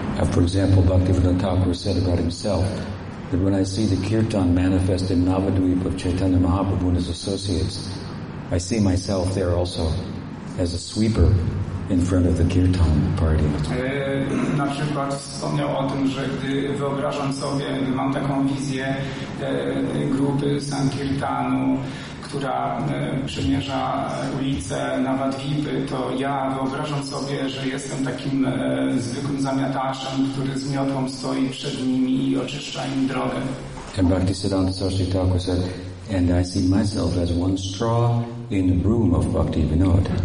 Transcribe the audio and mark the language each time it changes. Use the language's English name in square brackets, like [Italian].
[English] For example, Bhaktivinoda Thakur said about himself that when I see the kirtan manifest in Navadvipa of Chaitanya Mahaprabhu and his associates, I see myself there also as a sweeper in front of the kirtan party. [Polish] Na przykład wspomniał o tym, że gdy wyobrażam sobie, mam taką wizję grupy sankirtanu, która przemierza ulicę na Wadwipy, to ja wyobrażam sobie, że jestem takim zwykłym zamiataczem, który z miotłą stoi przed nimi i oczyszcza im drogę. [English] And Bhaktisiddhanta Saraswati Thakur said, and I see myself as one straw in the broom of Bhakti Vinod.